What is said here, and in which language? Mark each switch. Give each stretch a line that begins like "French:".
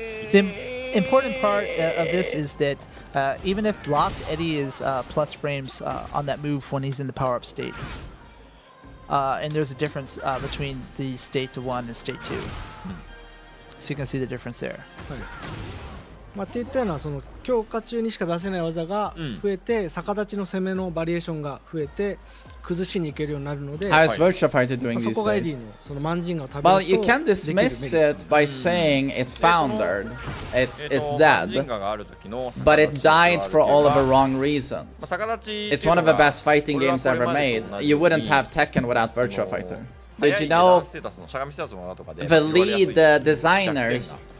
English: The important part of this is that even if blocked, Eddie is plus frames on that move when he's in the power up state. And there's a difference between the state to one and state two. So you can see the difference there.
Japanese: まあ、って言ったようなその強化中にしか出せない技が増えて、うん、逆立ちの攻めのバリエーションが増えて崩しに行けるようになるので、はい、まあ、そこがエディのそのマンジンガを食
English: べると Well, you can dismiss it by saying it's foundered. It's dead. But it died for all of the wrong reasons. It's one of the best fighting games ever made. You wouldn't have Tekken without Virtua Fighter. Did you know the lead designers?